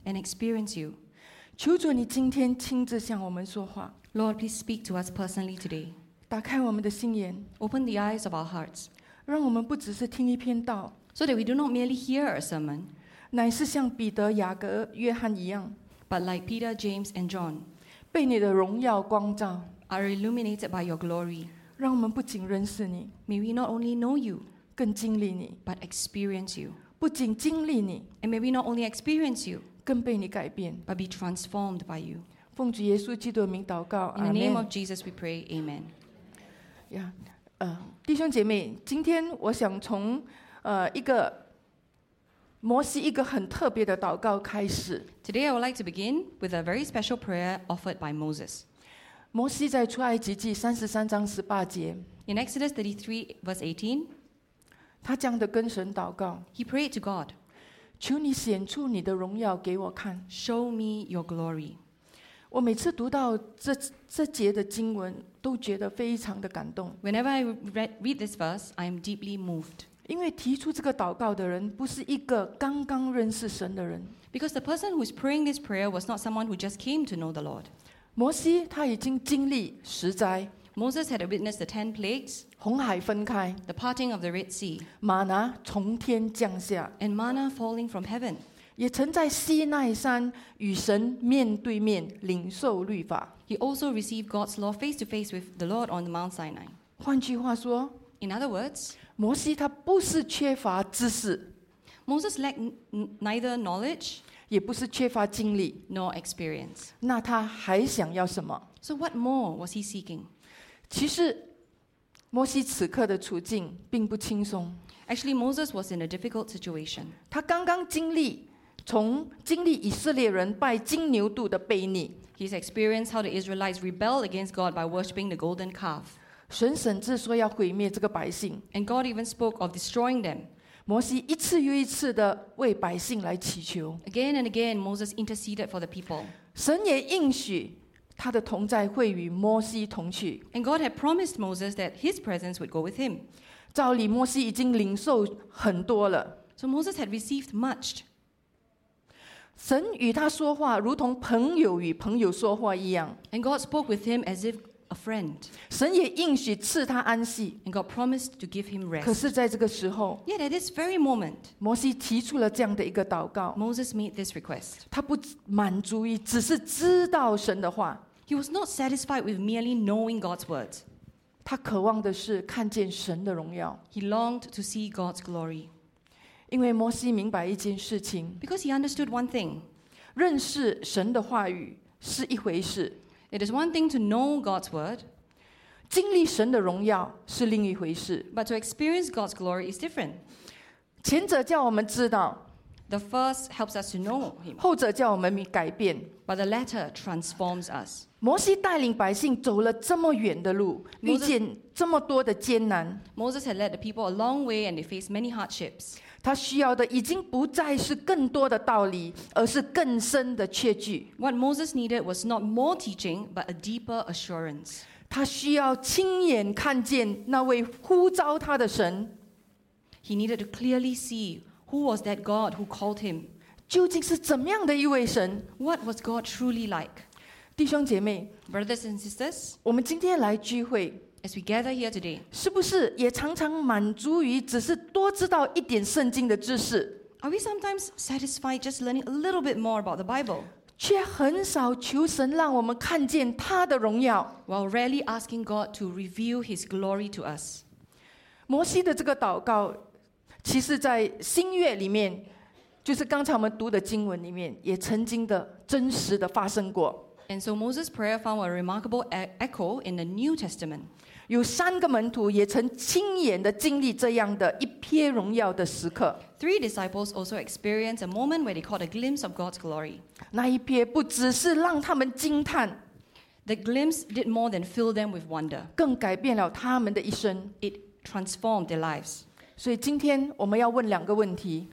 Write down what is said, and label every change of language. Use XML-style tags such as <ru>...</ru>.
<en>，And experience you。</en> <zh>求主你今天亲自向我们说话</zh> <en>，Lord please speak to us personally today。</en> <zh>打开我们的心眼</zh> <en>，Open the eyes of our hearts，</en> <zh>让我们不只是听一篇道</zh> <en>，So that we do not merely hear a sermon，</en> <zh>乃是像彼得、雅各、约翰一样。</zh> <en>But like Peter, James, and John,</en> <zh>被你的荣耀光照</zh> <en>are illuminated by your glory.</en> <zh>让我们不仅认识你</zh> <en>may we not only know you,</en> <zh>更经历你</zh> <en>but experience you.</en> <zh>不仅经历你</zh> <en>and may we not only experience you,</en> <zh>更被你改变</zh> <en>but be transformed by you.</en> <zh>奉主耶稣基督的名祷告</zh> <en>In the name of Jesus, we pray, Amen.</en> <zh>Yeah, 弟兄姐妹，今天我想从一个摩西一个很特别的祷告开始。</zh> <en>Today I would like to begin with a very special prayer offered by Moses.</en> <zh>摩西在出埃及记三十三章十八节。</zh> <en>In Exodus 33 verse 18,</en> <zh>他这样的跟神祷告。</zh> <en>He prayed to God.</en> <zh>求你显出你的荣耀给我看。</zh> <en>Show me your glory.</en> <zh>我每次读到这节的经文，都觉得非常的感动。</zh> <en>Whenever I read this verse, I am deeply moved.</en> <zh>因为提出这个祷告的人不是一个刚刚认识神的人。</zh> <en>Because the person who is praying this prayer was not someone who just came to know the Lord.</en> <zh>摩西他已经经历十灾。</zh> <en>Moses had witnessed the 10 plagues.</en> <zh>红海分开。</zh> <en>The parting of the Red Sea.</en> <zh>玛拿从天降下。</zh> <en>And manna falling from heaven.</en> <zh>也曾在西奈山与神面对面领受律法。</zh> <en>He also received God's law face to face with the Lord on the Mount Sinai.</en> <zh>换句话说。</zh> <en>In other words,</en> <zh>摩西他不是缺乏知识</zh> <en>，Moses lacked neither knowledge，</en> <zh>也不是缺乏经历</zh> <en>，nor experience。</en> <zh>那他还想要什么</zh> <en>？So what more was he seeking？</en> <zh>其实，摩西此刻的处境并不轻松。</zh> <en>Actually, Moses was in a difficult situation。</en> <zh>他刚刚经历以色列人拜金牛犊的悖逆</zh> <en>，He's experienced how the Israelites rebelled against God by worshiping the golden calf。</en> <zh>神甚至说要毁灭这个百姓</zh> <en>，and God even spoke of destroying them.</en> <zh>摩西一次又一次的为百姓来祈求</zh> <en>，again and again Moses interceded for the people.</en> <zh>神也应许他的同在会与摩西同去。</zh> <en>And God had promised Moses that his presence would go with him.</en> <zh>照理摩西已经领受很多了。</zh> <en>So Moses had received much.</en> <zh>神与他说话如同朋友与朋友说话一样。</zh> <en>And God spoke with him as if a friend.</en> <zh>神也应许赐他安息。</zh> <en>And God promised to give him rest.</en> <zh>可是在这个时候，</zh> <en>Yet at this very moment,</en> <zh>摩西提出了这样的一个祷告。</zh> <en>Moses made this request.</en> <zh>他不满足于只是知道神的话。</zh> <en>He was not satisfied with merely knowing God's words.</en> <zh>他渴望的是看见神的荣耀。</zh> <en>He longed to see God's glory.</en> <zh>因为摩西明白一件事情。</zh> <en>Because he understood one thing.</en> <zh>认识神的话语是一回事。</zh> <en>It is one thing to know God's word.</en> <zh>经历神的荣耀是另一回事。</zh> <en>But to experience God's glory is different.</en> <zh>前者叫我们知道。</zh> <en>The first helps us to know him.</en> <zh>后者叫我们改变。</zh> <en>But the latter transforms us.</en> <zh>摩西带领百姓走了这么远的路，遇见这么多的艰难。</zh> <en>Moses had led the people a long way and they faced many hardships.</en> <zh>他需要的已经不再是更多的道理，而是更深的确据。</zh> <en>What Moses needed was not more teaching, but a deeper assurance.</en> <zh>他需要亲眼看见那位呼召他的神。</zh> <en>He needed to clearly see who was that God who called him.</en> <zh>究竟是怎样的一位神？</zh> <en>What was God truly like?</en> <zh>弟兄姐妹，</zh> <en>Brothers and sisters,</en> <zh>我们今天来聚会，</zh> <en>As we gather here today,</en> <zh>是不是也常常满足于只是多知道一点圣经的知识？</zh> <en>Are we sometimes satisfied just learning a little bit more about the Bible?</en> <zh>却很少求神让我们看见他的荣耀，</zh> <en>While rarely asking God to reveal his glory to us.</en> <zh>摩西的这个祷告，其实在新约里面就是刚才我们读的经文里面也曾经的真实的发生过。</zh> <en>And so Moses' prayer found a remarkable echo in the New Testament.</en> <zh>有三个门徒也曾亲眼的经历这样的一瞥荣耀的时刻。</zh> <en>Three disciples also experienced a moment where they caught a glimpse of God's glory.</en> <zh>那一瞥不只是让他们惊叹。</zh> <en>The glimpse did more than fill them with wonder.</en> <zh>更改变了他们的一生。</zh> <en>It transformed their lives.</en> <zh>所以今天我们要问两个问题。</zh>